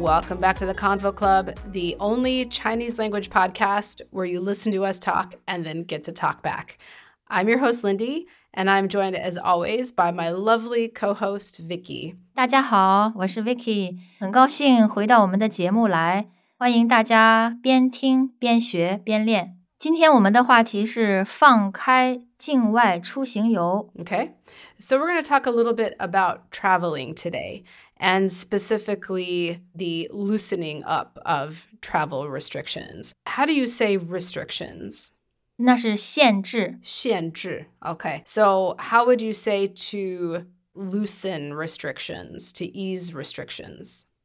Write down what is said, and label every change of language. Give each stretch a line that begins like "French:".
English: Welcome back to the Convo Club, the only Chinese language podcast where you listen to us talk and then get to talk back. I'm your host, Lindy, and I'm joined, as always, by my lovely co-host, Vicky.
Chinese: 大家好,我是Vicky, 很高兴回到我们的节目来,欢迎大家边听边学边练。今天我们的话题是放开境外出行游。
English: Okay, so we're going to talk a little bit about traveling today, and specifically the loosening up of travel restrictions. How do you say restrictions?
Chinese: 那是限制。限制,
English: okay. So how would you say to loosen restrictions, to ease restrictions?